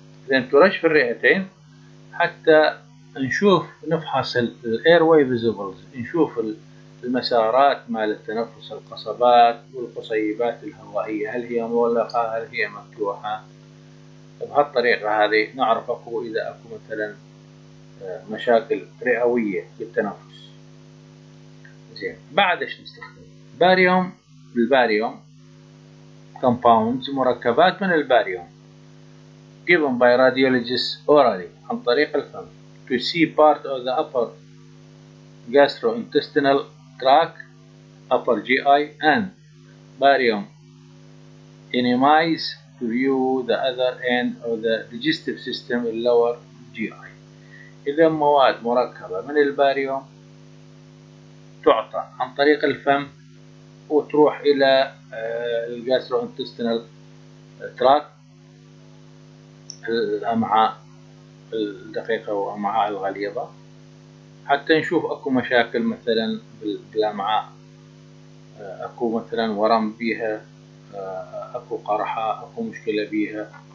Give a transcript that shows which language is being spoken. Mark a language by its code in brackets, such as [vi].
[ar] إذن ترش في الرئتين حتى نفحص الـ airway visibles، نشوف المسارات مال التنفس، القصبات والقصيبات الهوائية، هل هي مغلقة هل هي مفتوحة. بهالطريقة هذه نعرف أكو إذا أكو مثلا مشاكل رئوية بالتنفس. زين، بعد إيش نستخدم؟ باريوم. الباريوم compounds، مركبات من الباريوم، [en] given by radiologists orally [ar] عن طريق الفم، [en] to see part of the upper gastrointestinal track upper GI and barium enemies to view the other end of the digestive system in lower GI. [ar] إذا مواد مركبة من الباريوم تعطى عن طريق الفم وتروح إلى الجاستروانتستينال تراك، الأمعاء الدقيقة وأمعاء الغليظة، حتى نشوف أكو مشاكل مثلا بالأمعاء، أكو مثلا ورم بيها، أكو قرحة، أكو مشكلة بيها.